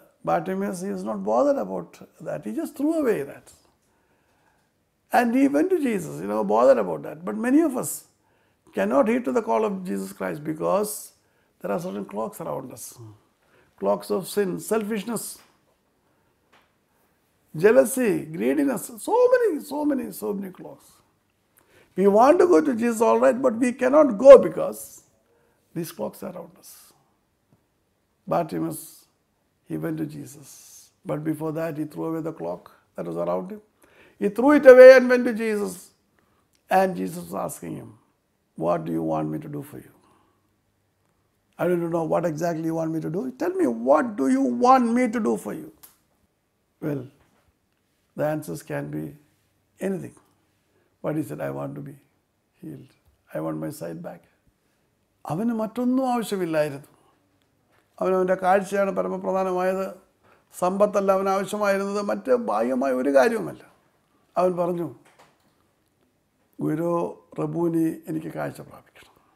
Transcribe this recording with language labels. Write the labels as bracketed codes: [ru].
[en] Bartimaeus is not bothered about that, he just threw away that and he went to Jesus, you know bothered about that. But many of us cannot heed to the call of Jesus Christ because there are certain cloaks around us, cloaks of sin, selfishness, jealousy, greediness, so many clocks. We want to go to Jesus, all right, but we cannot go because these clocks are around us. Bartimaeus, he went to Jesus, but before that he threw away the clock that was around him. He threw it away and went to Jesus, and Jesus was asking him, what do you want me to do for you? I don't know what exactly you want me to do. Tell me, what do you want me to do for you? Well, the answers can be anything. But he said, I want to be healed. I want my sight back. [ml] അവന് മറ്റൊന്നും ആവശ്യമില്ലായിരുന്നു. അവനവൻ്റെ കാഴ്ചയാണ് പരമപ്രധാനമായത്. സമ്പത്തല്ല അവൻ ആവശ്യമായിരുന്നത്, മറ്റ് ബാഹ്യമായ ഒരു കാര്യവുമല്ല. അവൻ പറഞ്ഞു, ഗുരു റബൂനി, എനിക്ക് കാഴ്ച പ്രാപിക്കണം.